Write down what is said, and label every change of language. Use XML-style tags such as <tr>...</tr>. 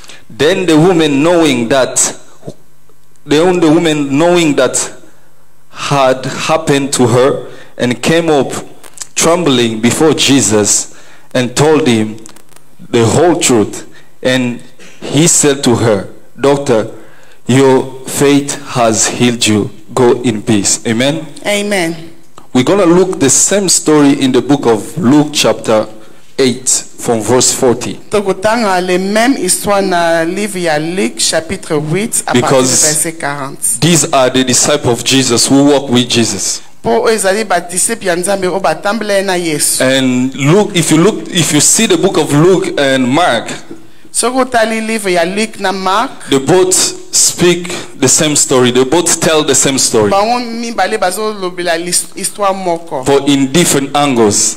<en>Then the woman knowing that had happened to her, and came up trembling before Jesus and told him the whole truth. And he said to her, "Doctor, your faith has healed you. Go in peace." Amen. Amen. We're going to look the same story in the book of Luke chapter 8 from verse 40.</en> <ln>Tokotanga</ln> <fr>le même histoire na livre ya Luke chapitre 8 à partir de verset 40.</fr> <en>These are the disciples of Jesus who walk with Jesus. And look, if you see the book of Luke and Mark, they both speak the same story. They both tell the same story, but in different angles.</en>